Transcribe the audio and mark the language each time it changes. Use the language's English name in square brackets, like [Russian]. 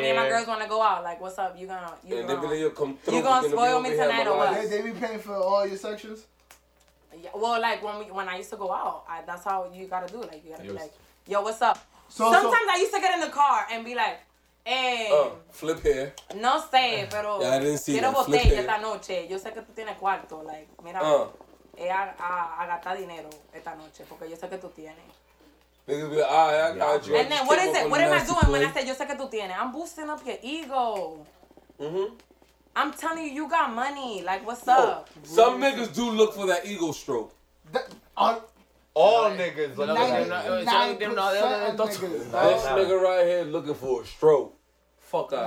[English] Me and my girls wanna go out. Like, what's up? You gonna spoil me tonight or what? They be paying for all your sections? Yeah, well, like when I used to go out, that's how you gotta do it. Like, you gotta be like, yo, what's up? Sometimes I used to get in the car and be like, hey. Flip here. [Spanish] No sé, pero. [English] Yeah, I didn't see [Spanish] quiero [English] that. [Spanish] Quiero botella esta noche. Yo sé que tú tienes cuarto. Like, mira. es a gastar dinero esta noche, porque yo sé que tú tienes. [English] Niggas be like, all right, I got you. And then what is it? What am I doing when I say [Spanish] yo sé que tú tienes? [English] I'm boosting up your ego. Mm-hmm. I'm telling you, you got money. Like, what's up? Some niggas do look for that ego stroke. All niggas. This nigga right here looking for a stroke. Fuck out.